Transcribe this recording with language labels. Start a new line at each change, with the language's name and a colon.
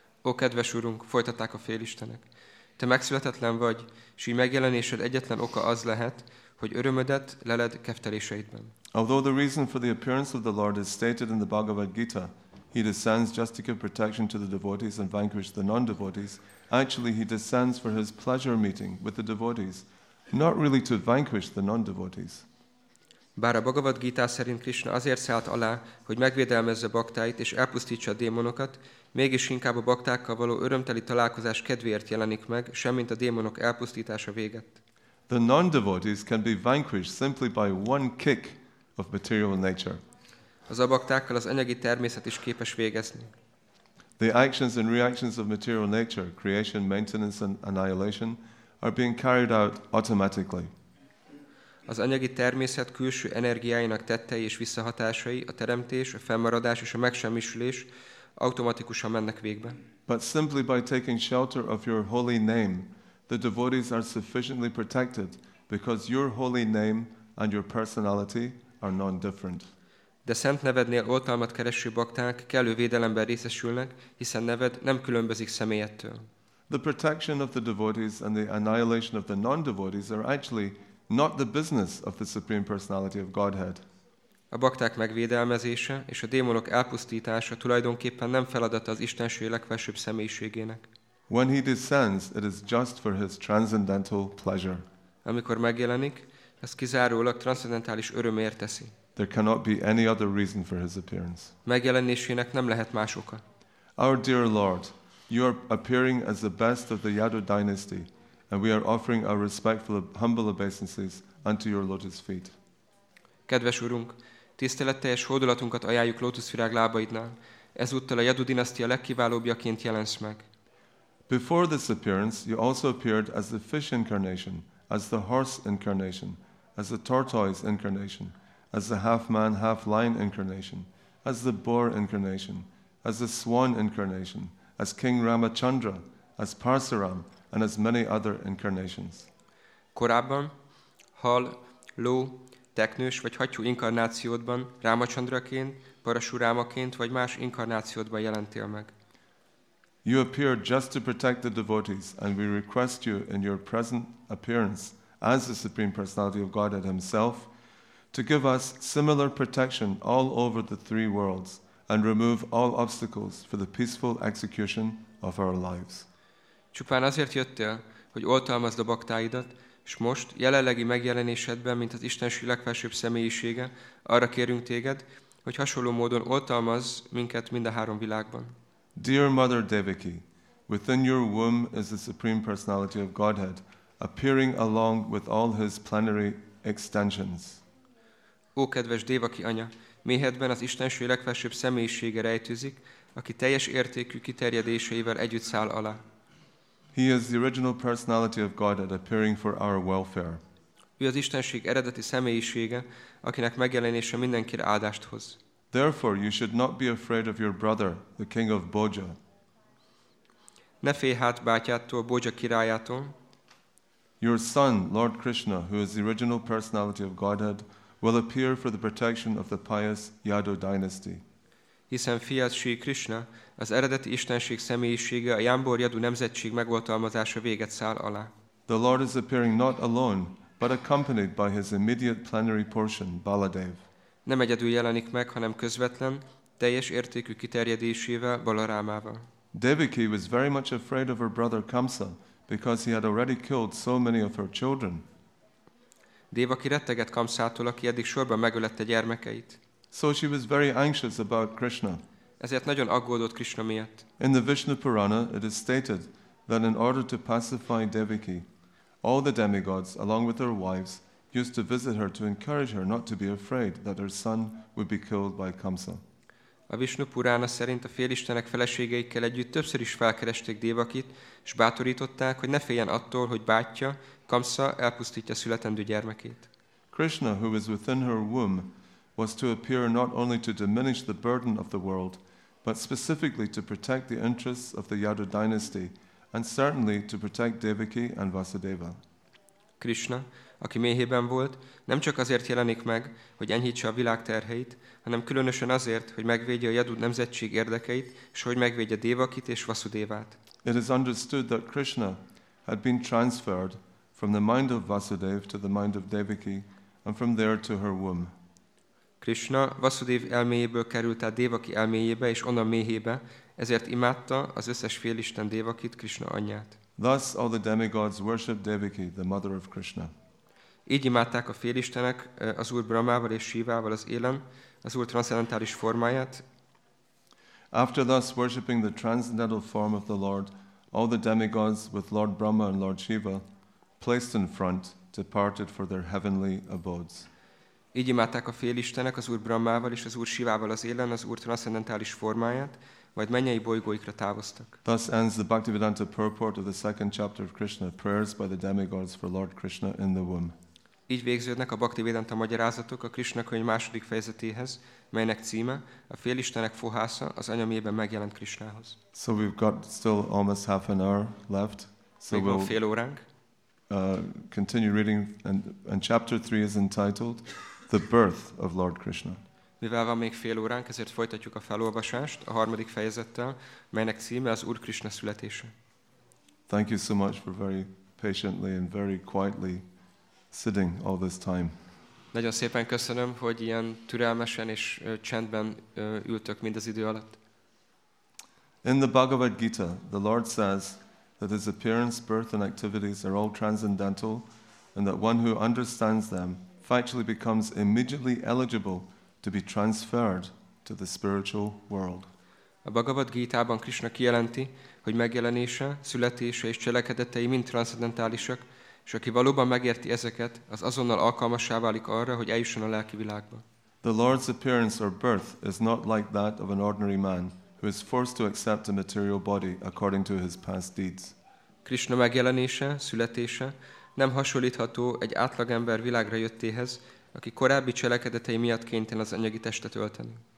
Hungarian: Ó, kedves Urunk, folytatták a félistenek. Te megszületetlen vagy, s így megjelenésed egyetlen oka az lehet, hogy örömödet leled kefteléseidben.
English: Although the reason for the appearance of the Lord is stated in the Bhagavad Gita, he descends just to give protection to the devotees and vanquish the non-devotees, actually he descends for his pleasure meeting with the devotees, not really to vanquish the non-devotees.
Hungarian: Bár a Bhagavad Gita szerint Krishna azért szállt alá, hogy megvédelmezze baktáit és elpusztítsa a démonokat, mégis inkább a baktákkal való örömteli találkozás kedvéért jelenik meg, semmint a démonok elpusztítása véget.
English: The non-devotees can be vanquished simply by one kick of material nature.
Hungarian: Az abaktákkal az anyagi természet is képes végezni.
English: The actions and reactions of material nature, creation, maintenance and annihilation, are being carried out automatically.
Hungarian: Az anyagi természet külső energiáinak tettei és visszahatásai, a teremtés, a fennmaradás és a megsemmisülés automatikusan mennek végbe.
English: But simply by taking shelter of your holy name, the devotees are sufficiently protected because your holy name and your personality are non-different.
Hungarian: De szent nevednél oltalmat kereső bakták kellő védelemben részesülnek, hiszen neved nem különbözik személyettől.
English: The protection of the devotees and the annihilation of the non-devotees are actually not the business of the Supreme Personality of Godhead.
Hungarian: A bakták megvédelmezése és a démonok elpusztítása tulajdonképpen nem feladata az Istenség legfelsőbb személyiségének.
English: When he descends, it is just for his transcendental pleasure.
Hungarian: Amikor megjelenik, ez kizárólag transzcendentális örömért teszi.
English: There cannot be any other reason for his appearance.
Hungarian: Megjelenésének nem lehet más oka.
English: Our dear Lord, you are appearing as the best of the Yadu dynasty, and we are offering our respectful, humble obeisances unto your lotus feet.
Hungarian: Kedves Urunk, tiszteletteljes hódolatunkat ajánljuk lótuszvirág lábaidnál. Ezúttal a Yadu dinasztia legkiválóbbjaként jelensz meg.
English: Before this appearance, you also appeared as the fish incarnation, as the horse incarnation, as the tortoise incarnation, as the half-man, half-lion incarnation, as the boar incarnation, as the swan incarnation, as King Ramachandra, as Parsaram, and as many other incarnations.
Hungarian: Korábban hal, ló, teknős vagy hattyú inkarnációdban, Rámacsandraként, Parasurámaként vagy más inkarnációdban jelentél meg.
English: You appear just to protect the devotees, and we request you in your present appearance as the Supreme Personality of Godhead himself to give us similar protection all over the three worlds and remove all obstacles for the peaceful execution of our lives.
Hungarian: Csupán azért jöttél, hogy oltalmazd a baktáidat, s most, jelenlegi megjelenésedben, mint az Istenség legfelsőbb személyisége, arra kérünk téged, hogy hasonló módon oltalmazz minket mind a három világban.
English: Dear Mother Devaki, within your womb is the Supreme Personality of Godhead, appearing along with all his plenary extensions.
Hungarian: Ó, kedves Devaki anya, méhedben az Istenség legfelsőbb személyisége rejtőzik, aki teljes értékű kiterjedéseivel együtt száll alá.
English: He is the original personality of Godhead appearing for our welfare.
Hungarian: Ő az Istenség eredeti személyisége, akinek megjelenése mindenkire áldást hoz.
English: Therefore, you should not be afraid of your brother, the king of Bodja.
Hungarian: Ne félj hát bátyától, Bodja királyától.
English: Your son, Lord Krishna, who is the original personality of Godhead, will appear for the protection of the pious Yadu dynasty.
Hungarian: Hiszen fiat Sri Krishna, az eredeti Istenség személyisége a Jámbor Yadu nemzetség megoltalmazása véget száll alá.
English: The Lord is appearing not alone, but accompanied by his immediate plenary portion, Baladev.
Hungarian: Nem egyedül jelenik meg, hanem közvetlen, teljes értékű kiterjedésével, Balarámával.
English: Devaki was very much afraid of her brother Kamsa, because he had already killed so many of her children.
Hungarian: Devaki rettegett Kamsától, aki eddig sorban megölette gyermekeit.
English: So she was very anxious about Krishna.
Hungarian: Ezért nagyon aggódott Krishna miatt.
English: In the Vishnu Purana, it is stated that in order to pacify Devaki, all the demigods, along with their wives, used to visit her to encourage her not to be afraid that her son would be killed by Kamsa.
Hungarian: A Vishnu Purana szerint a félistenek feleségeikkel együtt többször is felkeresték Devakit, és bátorították, hogy ne féljen attól, hogy bátyja, Kamsa elpusztítja születendő gyermekét.
English: Krishna, who is within her womb, was to appear not only to diminish the burden of the world, but specifically to protect the interests of the Yadu dynasty, and certainly to protect Devaki and Vasudeva.
Hungarian: Krishna, aki méhében volt, nem csak azért jelenik meg, hogy enyhítse a világ terheit, hanem különösen azért, hogy megvédje a Yadu nemzetség érdekeit, és hogy megvédje Devakit és Vasudevát.
English: It is understood that Krishna had been transferred from the mind of Vasudev to the mind of Devaki, and from there to her womb.
Hungarian: Krishna Vasudev elméjéből került át Devaki elméjébe és onnan méhébe, ezért imádta az összes félisten Devakit, Krishna anyját.
English: Thus all the demigods worship Devaki, the mother of Krishna.
Hungarian: Így imádták a félistenek az Úr Brahmával és Shivával az élen, az Úr transzendentális formáját.
English: After thus worshipping the transcendental form of the Lord, all the demigods with Lord Brahma and Lord Shiva, placed in front, departed for their heavenly abodes.
Hungarian: Így imádták a félistenek az Úr Brahmával és az Úr Shivával az élen, az Úr transzendentális formáját, majd mennyei bolygóikra távoztak.
English: Thus ends the Bhaktivedanta purport of the second chapter of Krishna, prayers by the demigods for Lord Krishna in the womb.
Hungarian: Így végződnek a Bhaktivedanta magyarázatok a Krishna könyv második fejezetéhez, melynek címe a félistenek fohásza az anyamében megjelent Krishnához.
English: So we've got still almost half an hour left. So
Hungarian: még van fél óránk.
English: Continue reading and chapter 3 is entitled The Birth of Lord Krishna.
Hungarian: Mivel van még fél óránk, ezért folytatjuk a felolvasást a harmadik fejezettel, melynek címe az Úr Krishna születése.
English: Thank you so much for very patiently and very quietly sitting all this time.
Hungarian: Nagyon szépen köszönöm, hogy ilyen türelmesen és csendben ültök mindez idő alatt.
English: In the Bhagavad Gita, the Lord says that his appearance, birth and activities are all transcendental and that one who understands them factually becomes immediately eligible to be transferred to the spiritual world.
Hungarian: A Bhagavad Gita-ban Krishna kijelenti, hogy megjelenése, születése és cselekedetei mind transzendentálisak, és aki valóban megérti ezeket, az azonnal alkalmassá válik arra, hogy eljusson a lelki világba.
English: The Lord's appearance or birth is not like that of an ordinary man who is forced to accept a material body according to his past deeds.
Hungarian: Krishna megjelenése, születése nem hasonlítható egy átlagember világra jöttéhez, aki korábbi cselekedetei miatt kénytelen az anyagi testet ölteni.